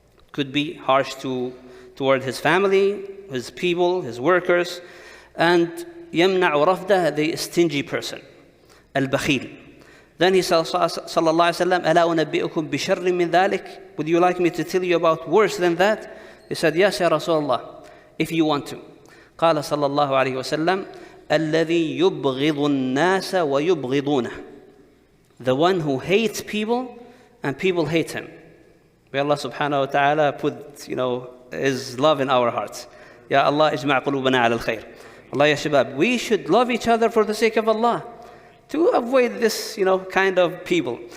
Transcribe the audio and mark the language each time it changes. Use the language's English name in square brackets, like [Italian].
[English] Could be harsh toward his family, his people, his workers. And [Arabic] يَمْنَعُ رَفْدَهُ, [English] the stingy person. [Arabic] البخيل. [English] Then he says, [Arabic] صلى الله عليه وسلم, أَلَا أُنَبِّئُكُمْ بِشَرٍ مِّنْ ذَلِكَ. [English] Would you like me to tell you about worse than that? He said, yes, ya Rasulullah, if you want to. [Arabic] قال صلى الله عليه وسلم الذي يبغض الناس ويبغضونه. [English] The one who hates people and people hate him. May Allah subhanahu wa ta'ala put, you know, his love in our hearts. [Arabic] Ya Allah, ijma' qulubana ala al-khayr. [English] Allah, ya shabab, we should love each other for the sake of Allah to avoid this, you know, kind of people.